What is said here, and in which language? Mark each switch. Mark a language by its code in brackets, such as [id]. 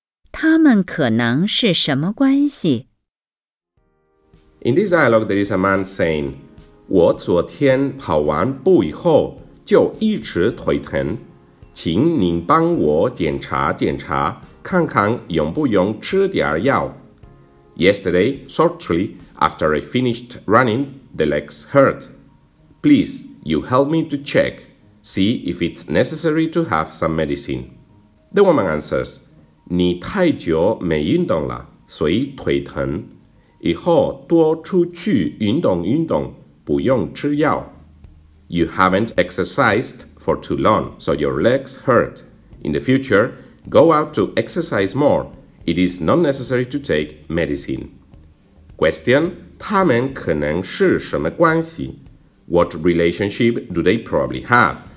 [zh] 他们可能是什么关系？ [en] In this dialogue, there is a man saying, [zh] 我昨天跑完步以后就一直腿疼。请您帮我检查检查，看看用不用吃点药。 [en] Yesterday, shortly after I finished running, the legs hurt. Please, you help me to check, see if it's necessary to have some medicine. The woman answers, [zh] 你太久没运动了，所以腿疼。以后多出去运动运动，不用吃药。 [en] You haven't exercised for too long, so your legs hurt. In the future, go out to exercise more. It is not necessary to take medicine. Question, [zh] 他们可能是什么关系? [en] What relationship do they probably have?